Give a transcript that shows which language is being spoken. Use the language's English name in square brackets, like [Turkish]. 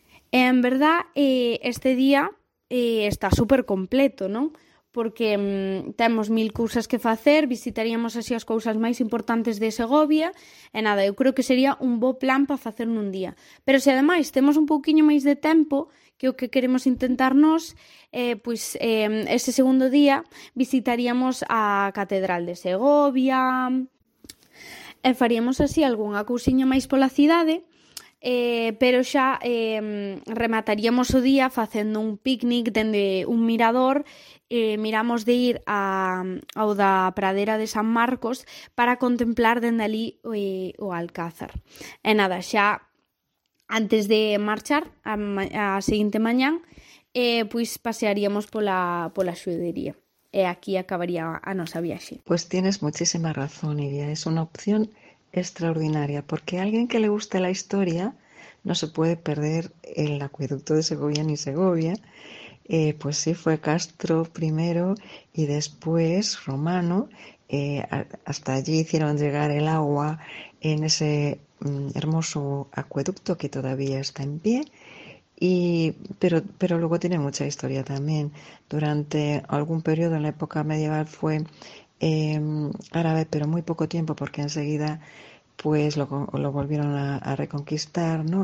[Galician] E en verdad, este día está super completo, non? Porque temos mil cousas que facer, visitaríamos así as cousas máis importantes de Segovia, e nada, eu creo que sería un bo plan para facer nun día. Pero se ademais temos un pouquiño máis de tempo, que o que queremos intentar nos, pois ese segundo día visitaríamos a Catedral de Segovia, e faríamos así algunha cousiña máis pola cidade, pero xa remataríamos o día facendo un picnic dende un mirador. Miramos de ir ao da pradera de San Marcos para contemplar dende ali o Alcázar. E nada, xa antes de marchar a seguinte mañán, pois pasearíamos pola xudería. E aquí acabaría a nosa viaxe. Pois tienes moitísima razón, Iria. É unha opción extraordinaria, porque a alguén que le guste a historia non se pode perder [Spanish] el acueducto de Segovia ni Segovia. Pues sí, fue castro primero y después romano. Hasta allí hicieron llegar el agua en ese hermoso acueducto que todavía está en pie. Pero luego tiene mucha historia también. Durante algún periodo en la época medieval fue árabe, pero muy poco tiempo porque enseguida pues lo volvieron a reconquistar, ¿no?